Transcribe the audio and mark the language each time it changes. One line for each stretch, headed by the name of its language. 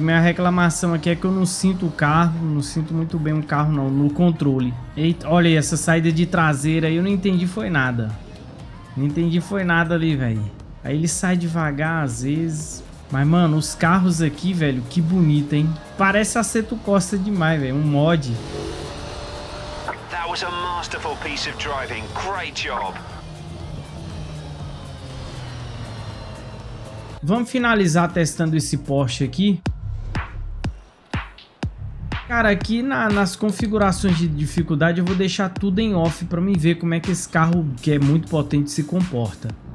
Portuguese: Minha reclamação aqui é que eu não sinto o carro. Não sinto muito bem o carro, não. No controle. Eita, olha aí, essa saída de traseira aí. Eu não entendi foi nada. Não entendi foi nada ali, velho. Aí ele sai devagar, às vezes. Mas, mano, os carros aqui, velho, que bonito, hein? Parece Assetto Corsa demais, velho. Um mod.
English: That was a masterful piece of driving. Great job.
Portuguese: Vamos finalizar testando esse Porsche aqui. Cara, aqui nas configurações de dificuldade eu vou deixar tudo em off para mim ver como é que esse carro, que é muito potente, se comporta.